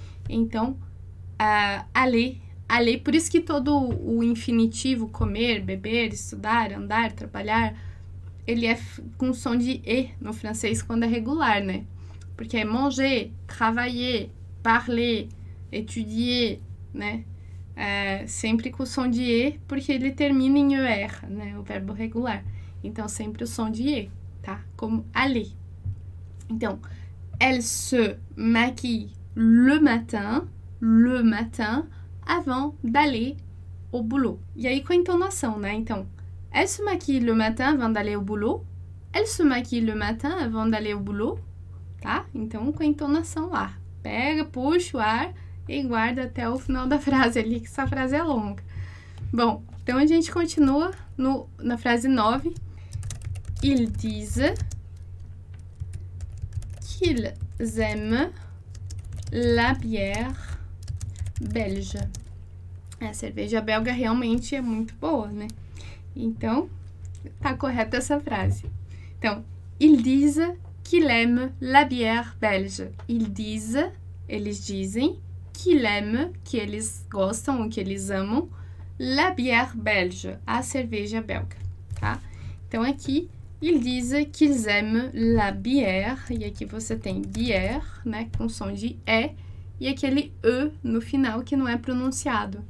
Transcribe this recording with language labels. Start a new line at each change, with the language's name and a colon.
Portuguese: Então, aller, por isso que todo o infinitivo, comer, beber, estudar, andar, trabalhar, ele é com som de E no francês quando é regular, né? Porque é manger, travailler, parler, étudier, né? Sempre com o som de E, porque ele termina em ER, né? O verbo regular. Então, sempre o som de E, tá? Como aller.
French: Então, elle se maquille le matin, avant d'aller au boulot.
Portuguese: E aí, com a entonação, né? Então,
French: elle se maquille le matin avant d'aller au boulot. Elle se maquille le matin avant d'aller au boulot.
Portuguese: Tá? Então, com a entonação lá. Pega, puxa o ar e guarda até o final da frase ali, que essa frase é longa. Bom, então a gente continua na frase 9.
French: Ils disent qu'ils aiment la bière belge.
Portuguese: A cerveja belga realmente é muito boa, né? Então, tá correta essa frase.
French: Então, ils disent qu'ils aiment la bière belge.
Portuguese: Eles dizem que eles gostam ou que eles amam
French: la bière belge,
Portuguese: a cerveja belga, tá? Então aqui,
French: ils disent qu'ils aiment la bière,
Portuguese: e aqui você tem bière, né, com som de E, e aquele E no final que não é pronunciado.